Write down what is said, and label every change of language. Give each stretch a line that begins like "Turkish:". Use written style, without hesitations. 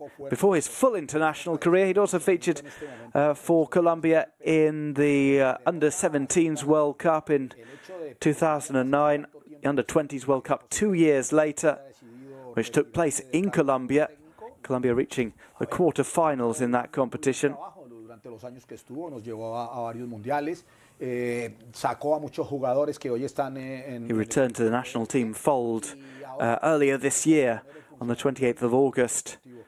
English: Before his full international career, he'd also featured for Colombia in the under-17s World Cup in 2009 Under-20s World Cup 2 years later, which took place in Colombia, Colombia reaching the quarterfinals in that competition.
Spanish: Durante los años que estuvo, nos llevó a varios mundiales. Sacó a muchos jugadores que hoy están en...
English: He returned to the national team fold earlier this year on the 28th of August.